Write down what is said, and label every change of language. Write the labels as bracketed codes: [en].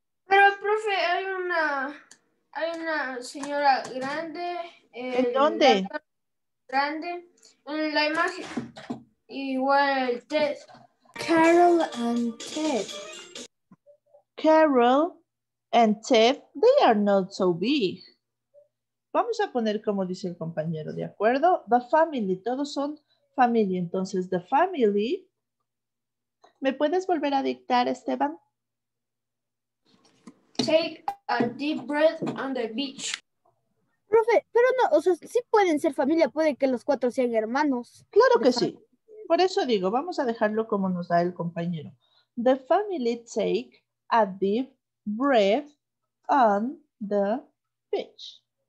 [es] Pero, profe, hay una señora grande. ¿En dónde? Grande. En la imagen. Igual, Ted. [en] Carol and Ted. Carol and Ted, they are not so big. [es] Vamos a poner como dice el compañero, ¿de acuerdo? [en] The family, [es] todos son familia. Entonces, [en] the family. [es] ¿Me puedes volver a dictar, Esteban? [en] Take a deep breath on the beach. [es] Profe, pero no, o sea, sí pueden ser familia, puede que los cuatro sean hermanos. Claro que sí. Por eso digo, vamos a dejarlo como nos da el compañero. [en] The family take a deep breath on the beach.